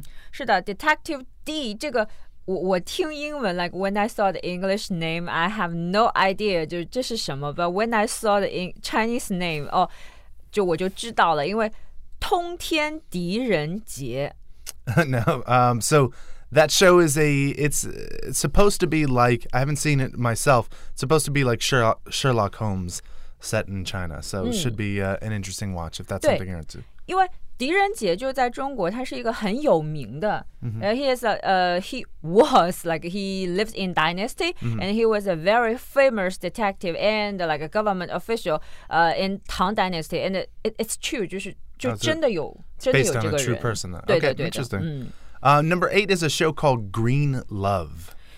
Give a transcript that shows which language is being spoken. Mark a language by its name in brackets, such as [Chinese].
[Chinese] 是的 [English] Detective D [Chinese] 这个 我听英文 [English] like when I saw the English name I have no idea [Chinese] 就这是什么 [English] but when I saw the Chinese name [Chinese] 哦就我就知道了因为通天狄仁杰 [English] No, so that show is it's supposed to be like I haven't seen it myself it's supposed to be like Sherlock Holmes set in China, so it should be an interesting watch if that's something you're into. [Chinese] 因为狄仁杰就在中国，他是一个很有名的。 [English] He lived in dynasty, and he was a very famous detective and like a government official in Tang Dynasty. And it's true, [Chinese] 就真的有，真的有这个人。 [English] Based on a true person, though. Okay, interesting. Number 8 is a show called Green Love.